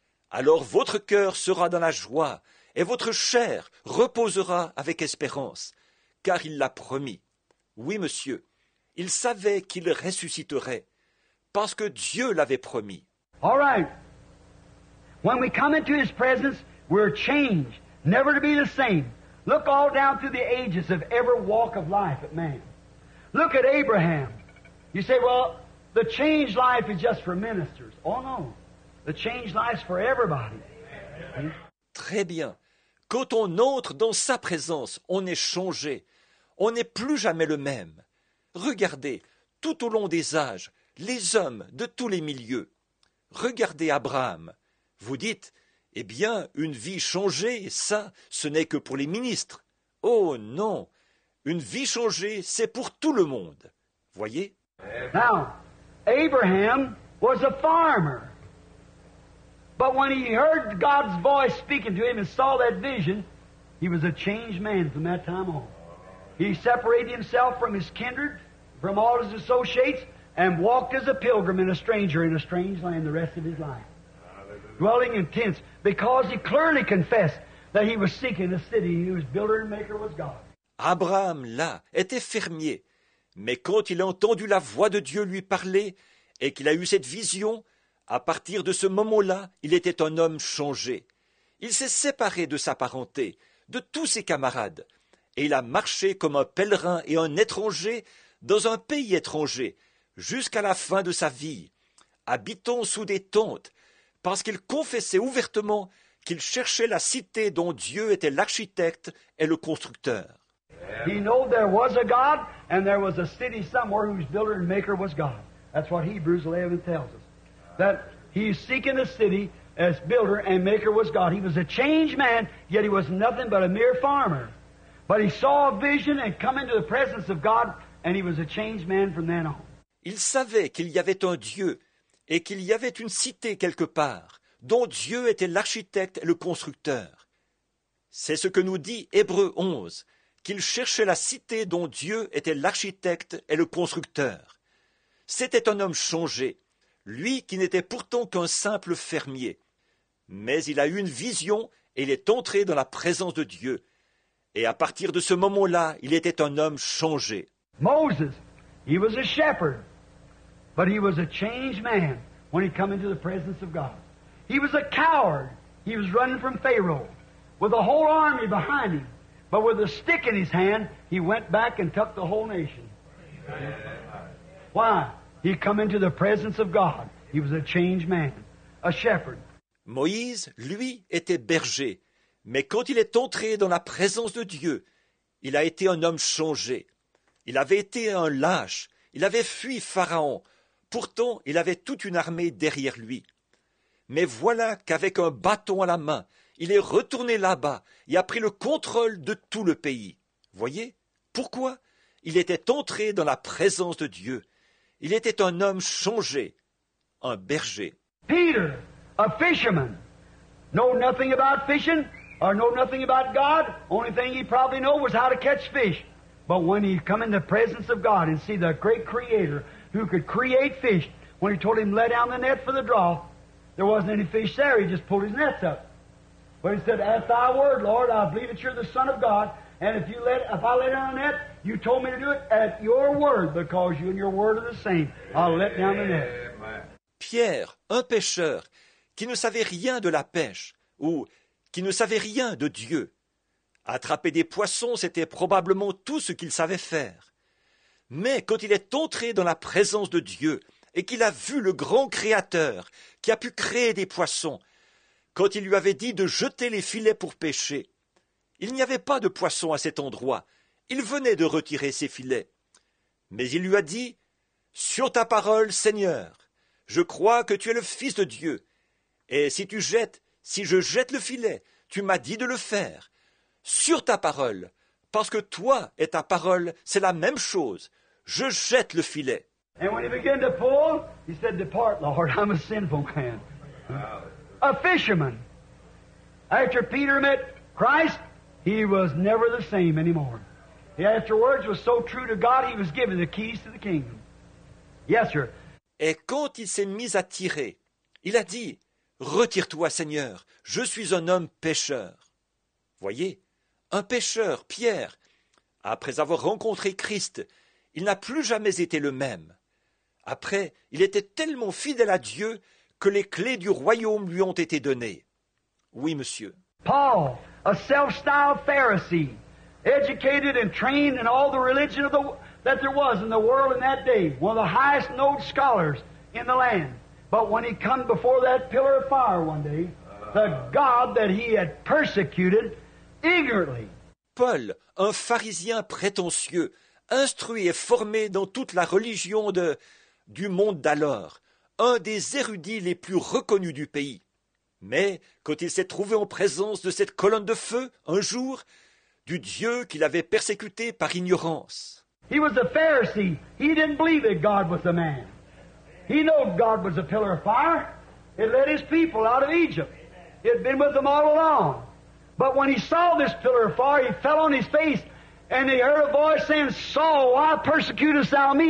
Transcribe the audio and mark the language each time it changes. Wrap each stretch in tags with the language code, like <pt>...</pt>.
<fr>Alors votre cœur sera dans la joie et votre chair reposera avec espérance, car il l'a promis. Oui, monsieur, il savait qu'il ressusciterait, parce que Dieu l'avait promis.</fr> <en>All right. When we come into his presence, we're changed, never to be the same. Look all down through the ages of every walk of life at man. Look at Abraham. You say, well, the changed life is just for ministers. Oh no, the changed life is for everybody.</en> <fr>Très bien. Quand on entre dans sa présence, on est changé. On n'est plus jamais le même. Regardez, tout au long des âges, les hommes de tous les milieux. Regardez Abraham. Vous dites, eh bien, une vie changée, ça, ce n'est que pour les ministres. Oh non, une vie changée, c'est pour tout le monde. Voyez.</fr> <en>Now, Abraham was a farmer. But when he heard God's voice speaking to him and saw that vision, he was a changed man from that time on. He separated himself from his kindred, from all his associates, and walked as a pilgrim and a stranger in a strange land the rest of his life, dwelling in tents, because he clearly confessed that he was seeking a city whose builder and maker was God.</en> <fr>Abraham, là, était fermier, mais quand il a entendu la voix de Dieu lui parler et qu'il a eu cette vision, à partir de ce moment-là, il était un homme changé. Il s'est séparé de sa parenté, de tous ses camarades, et il a marché comme un pèlerin et un étranger dans un pays étranger, jusqu'à la fin de sa vie, habitant sous des tentes, parce qu'il confessait ouvertement qu'il cherchait la cité dont Dieu était l'architecte et le constructeur.</fr> <en>He knew there was a God, and there was a city somewhere whose builder and maker was God. That's what Hebrews 11 tells us. That he's seeking a city as builder and maker was God. He was a changed man, yet he was nothing but a mere farmer. But he saw a vision and come into the presence of God, and he was a changed man from then on.</en> <fr>Il savait qu'il y avait un Dieu et qu'il y avait une cité quelque part dont Dieu était l'architecte et le constructeur. C'est ce que nous dit Hébreux 11, qu'il cherchait la cité dont Dieu était l'architecte et le constructeur. C'était un homme changé, lui qui n'était pourtant qu'un simple fermier. Mais il a eu une vision et il est entré dans la présence de Dieu. Et à partir de ce moment-là, il était un homme changé.</fr> <en>Moses, he was a shepherd, but he was a changed man when he came into the presence of God. He was a coward. He was running from Pharaoh with a whole army behind him. But with a stick in his hand, he went back and took the whole nation. Why? He come into the presence of God. He was a changed man, a shepherd.</en> <fr>Moïse, lui, était berger. Mais quand il est entré dans la présence de Dieu, il a été un homme changé. Il avait été un lâche. Il avait fui Pharaon. Pourtant, il avait toute une armée derrière lui. Mais voilà qu'avec un bâton à la main, il est retourné là-bas et a pris le contrôle de tout le pays. Voyez, pourquoi? Il était entré dans la présence de Dieu. Il était un homme changé, un berger.</fr> <en>Peter, a fisherman, know nothing about fishing or know nothing about God. Only thing he probably know was how to catch fish. But when he come in the presence of God and see the great Creator who could create fish, when he told him let down the net for the draw, there wasn't any fish there. He just pulled his nets up. But he said, at thy word, Lord, I believe that you're the Son of God, and if I lay down the net, you told me to do it at your word, because you and your word are the same. I'll let down the net.</en> <fr>Pierre, un pêcheur, qui ne savait rien de la pêche, ou qui ne savait rien de Dieu. Attraper des poissons, c'était probablement tout ce qu'il savait faire. Mais quand il est entré dans la présence de Dieu, et qu'il a vu le grand Créateur qui a pu créer des poissons, quand il lui avait dit de jeter les filets pour pêcher, il n'y avait pas de poisson à cet endroit. Il venait de retirer ses filets. Mais il lui a dit, « Sur ta parole, Seigneur, Je crois que tu es le Fils de Dieu. Et si tu jettes, si je jette le filet, tu m'as dit de le faire. Sur ta parole, parce que toi et ta parole, c'est la même chose. Je jette le filet.</fr> <en>And when he began to pull, he said, depart, Lord, I'm a sinful man. A fisherman. After Peter met Christ, he was never the same anymore. He afterwards was so true to God, he was given the keys to the kingdom. Yes, sir.</en> <fr>Et quand il s'est mis à tirer, il a dit, « Retire-toi, Seigneur, je suis un homme pécheur. » Voyez, un pécheur, Pierre, après avoir rencontré Christ, il n'a plus jamais été le même. Après, il était tellement fidèle à Dieu que les clés du royaume lui ont été données. Oui, monsieur.</fr> <en>Paul, a self-styled Pharisee, educated and trained in all the religion of the that there was in the world in that day, one of the highest known scholars in the land. But when he come before that pillar of fire one day, the God that he had persecuted ignorantly.</en> <fr>Paul, un pharisien prétentieux, instruit et formé dans toute la religion du monde d'alors, un des érudits les plus reconnus du pays. Mais quand il s'est trouvé en présence de cette colonne de feu, un jour, du Dieu qu'il avait persécuté par ignorance.</fr> <en>He was a Pharisee. He didn't believe that God was a man. He knew God was a pillar of fire. It led his people out of Egypt. He had been with them all along. But when he saw this pillar of fire, he fell on his face, and he heard a voice saying, Saul, why persecutest thou me?</en>